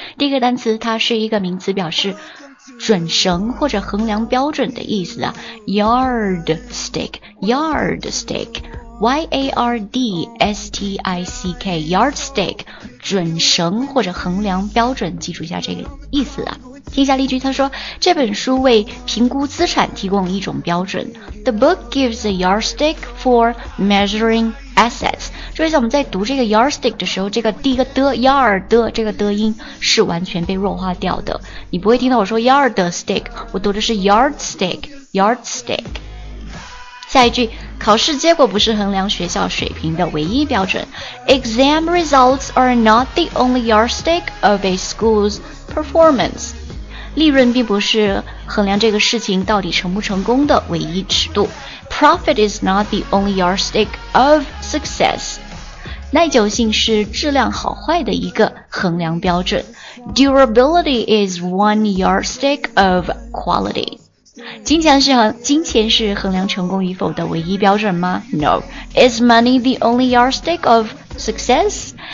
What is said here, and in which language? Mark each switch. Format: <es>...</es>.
<zh>第一个单词它是一个名词，表示准绳或者衡量标准的意思啊， yardstick yardstick yardstick yardstick 准绳或者衡量标准，记住一下这个意思啊。听一下例句，他说这本书为评估资产提供一种标准。</zh> <en>The book gives a yardstick for measuring assets.</en> <zh>注意一下，我们在读这个 yardstick 的时候，这个第一个的 yard 的这个的音是完全被弱化掉的。你不会听到我说 yardstick， 我读的是 yardstick， yardstick。下一句，考试结果不是衡量学校水平的唯一标准。</zh> <en>Exam results are not the only yardstick of a school's performance.</en> <zh>利润并不是衡量这个事情到底成不成功的唯一尺度。</zh> <en>Profit is not the only yardstick of success.</en> <zh>耐久性是质量好坏的一个衡量标准。</zh> <en>Durability is one yardstick of quality.</en> <zh>金钱是衡量成功与否的唯一标准吗？</zh> <en>No. Is money the only yardstick of success?</en>